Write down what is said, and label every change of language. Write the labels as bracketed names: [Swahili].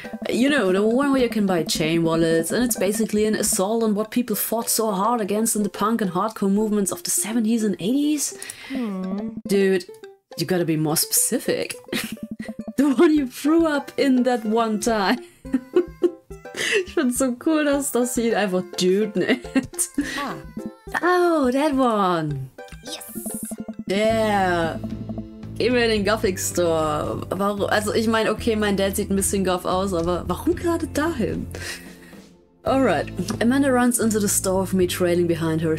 [English] You know, the one where you can buy chain wallets, and it's basically an assault on what people fought so hard against in the punk and hardcore movements of the 70s and 80s? Hmm. Dude, you gotta be more specific. The one you threw up in that one time. [German] Ich find's so cool, dass das sie einfach Dude nennt. Ah. [English] Oh, that one! Yes! [German] Yeah! Gehen wir in den Gothic Store. Warum? Also ich meine, okay, mein Dad sieht ein bisschen goth aus, aber warum gerade dahin? [English] Alright. Amanda runs into the store with me trailing behind her.